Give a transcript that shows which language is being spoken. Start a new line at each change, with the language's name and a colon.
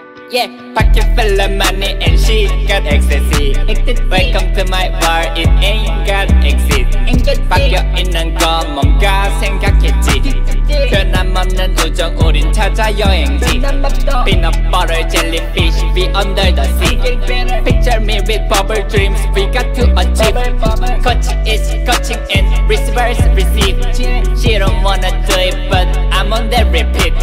English: Yeah, pocket full of money and she got ecstasy. Welcome to my bar, it ain't got exit.
Korean: 바뀌어 있는 건 뭔가 생각했지. 변함없는 우정 우린 찾아 여행지.
English: Peanut butter, jellyfish, we under the sea. Picture me with bubble dreams, we got to achieve. Coach is coaching and receivers receive. She don't wanna do it but I'm on the repeat.